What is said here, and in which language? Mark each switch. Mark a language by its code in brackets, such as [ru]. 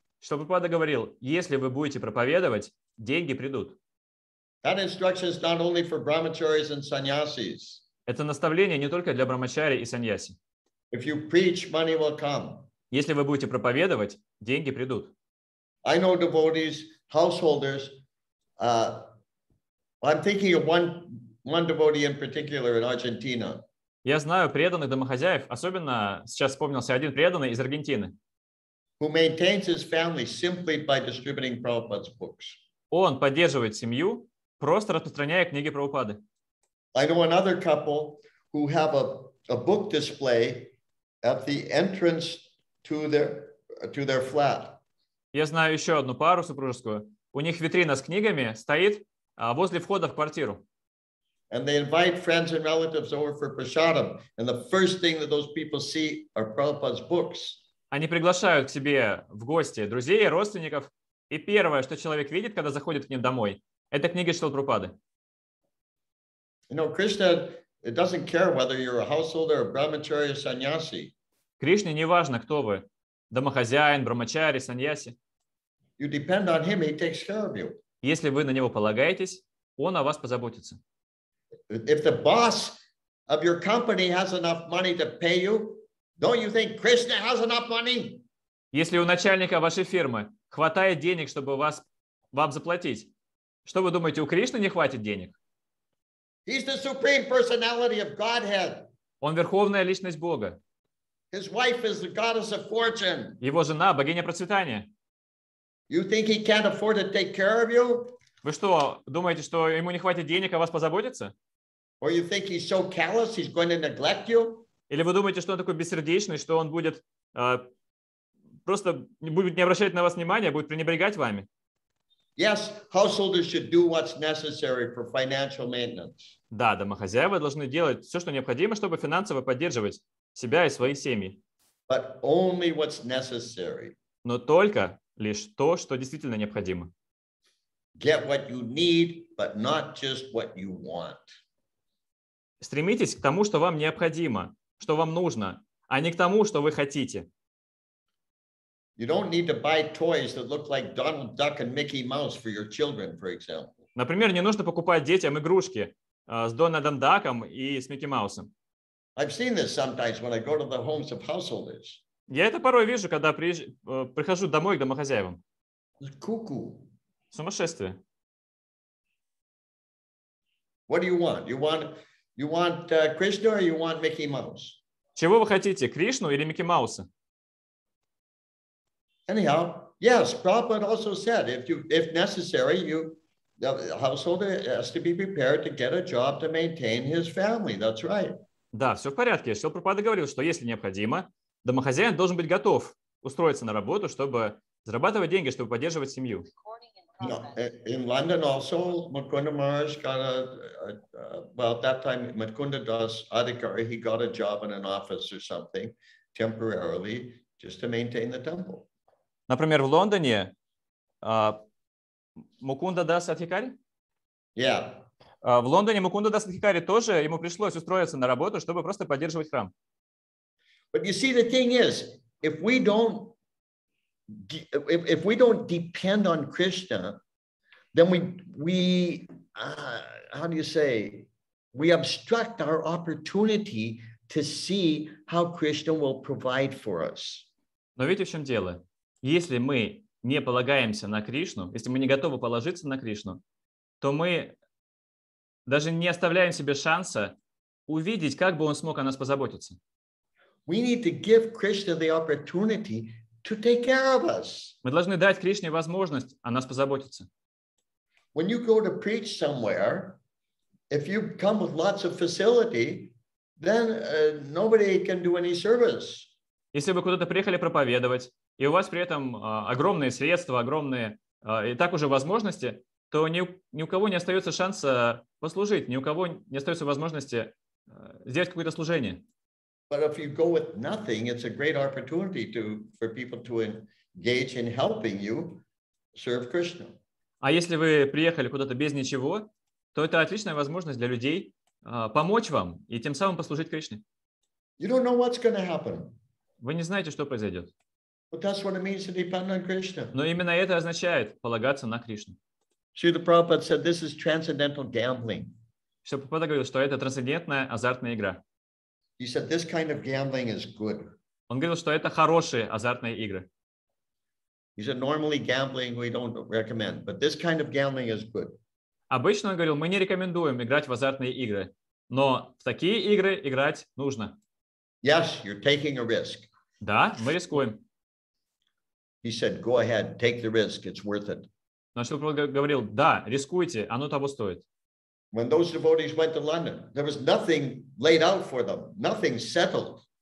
[ru] Что Прабхупада говорил, если вы будете проповедовать, деньги придут. [en] That instruction is not only for brahmacharis and sannyasis. [ru] Это наставление не только для брахмачари и саньяси. [en] If you preach, money will come. [ru] Если вы будете проповедовать, деньги придут. [en] I know devotees, householders. I'm thinking of one devotee in particular in Argentina. [ru] Я знаю преданных домохозяев, особенно сейчас вспомнился один преданный из Аргентины. [en] Who maintains his family simply by distributing Prabhupada's books. [ru] Он поддерживает семью, просто распространяя книги Прабхупады. [en] I know another couple who have a book display at the entrance to their flat. [ru] Я знаю еще одну пару супружескую. У них витрина с книгами стоит возле входа в квартиру. [en] And they invite friends and relatives over for prasadam. And the first thing that those people see are Prabhupada's books. [ru] Они приглашают к себе в гости друзей, родственников. И первое, что человек видит, когда заходит к ним домой, это книги Шрилы Прабхупады. [en] You know, Krishna, it doesn't care whether you're a householder, a brahmachari, or sannyasi. [ru] Кришне не важно, кто вы. Домохозяин, брамачари, саньяси. [en] You depend on him, he takes care of you. [ru] Если вы на него полагаетесь, он о вас позаботится. [en] If the boss of your company has enough money to pay you, don't you think Krishna has enough money? [ru] Если у начальника вашей фирмы хватает денег, чтобы вам заплатить, что вы думаете, у Кришны не хватит денег? [en] He's the supreme personality of Godhead. [ru] Он верховная личность Бога. [en] His wife is the goddess of fortune. [ru] Его жена – богиня процветания. [en] You think he can't afford to take care of you? [ru] Вы что, думаете, что ему не хватит денег, а вас позаботиться? [en] Or you think he's so callous, he's going to neglect you? [ru] Или вы думаете, что он такой бессердечный, что он будет просто будет не обращать на вас внимания, будет пренебрегать вами? [en] Yes, householders should do what's necessary for financial maintenance. [ru] Да, домохозяева должны делать все, что необходимо, чтобы финансово поддерживать себя и свои семьи. [en] But only what's necessary. [ru] Но только лишь то, что действительно необходимо. [en] Get what you need, but not just what you want. [ru] Стремитесь к тому, что вам необходимо, что вам нужно, а не к тому, что вы хотите. [en] You don't need to buy toys that look like Donald Duck and Mickey Mouse for your children, for example. [ru] Например, не нужно покупать детям игрушки с Дональдом Даком и с Микки Маусом. [en] I've seen this sometimes when I go to the homes of householders. [ru] Я это порой вижу, когда прихожу домой к домохозяевам. Куку. Сумасшествие. [en] What do you want? You want Krishna or you want Mickey Mouse? [ru] Чего вы хотите, Кришну или Микки Мауса? [en] Anyhow, yes, Prabhupada also said if necessary, the householder has to be prepared to get a job to maintain his family. That's right. [ru] Да, все в порядке. Шрила Прабхупада говорил, что если необходимо, домохозяин должен быть готов устроиться на работу, чтобы зарабатывать деньги, чтобы поддерживать семью. [en] No, in London also, Mukunda Maharaj got about that time, Mukunda Das Adhikari, he got a job in an office or something temporarily just to maintain the temple. [ru] Например, в Лондоне Мукунда Дас Адхикари? [en] Yeah. [ru] В Лондоне Мукунда Дас Адхикари тоже, ему пришлось устроиться на работу, чтобы просто поддерживать храм. [en] But you see, the thing is, if we don't depend on Krishna, then we obstruct our opportunity to see how Krishna will provide for us. [ru] Но видите, в чем дело? Если мы не полагаемся на Кришну, если мы не готовы положиться на Кришну, то мы даже не оставляем себе шанса увидеть, как бы он смог о нас позаботиться. [en] We need to give Krishna the opportunity to take care of us. [ru] Мы должны дать Кришне возможность о нас позаботиться. [en] When you go to preach somewhere, if you come with lots of facility, then nobody can do any service. [ru] Если вы куда-то приехали проповедовать, и у вас при этом огромные средства, огромные и так уже возможности, то ни у кого не остается шанса послужить, ни у кого не остается возможности сделать какое-то служение. [en] But if you go with nothing, it's a great opportunity for people to engage in helping you serve Krishna. [ru] А если вы приехали куда-то без ничего, то это отличная возможность для людей помочь вам и тем самым послужить Кришне. [en] You don't know what's going to happen. [ru] Вы не знаете, что произойдет. [en] But that's what it means to depend on Krishna. [ru] Но именно это означает полагаться на Кришну. [en] Srila Prabhupada said this is transcendental gambling. [ru] Srila Prabhupada говорил, что это трансцендентная азартная игра. [en] He said this kind of gambling is good. [ru] Он говорил, что это хорошие азартные игры. [en] He said, normally gambling we don't recommend, but this kind of gambling is good. [ru] Обычно, он говорил, мы не рекомендуем играть в азартные игры, но в такие игры играть нужно. [en] Yes, you're taking a risk. [ru] Да, мы рискуем. [en] He said, go ahead, take the risk, it's worth it. [ru] Но Шилпрабхупад говорил, да, рискуйте, оно того стоит. [en] When those devotees went to London, there was nothing laid out for them, nothing settled.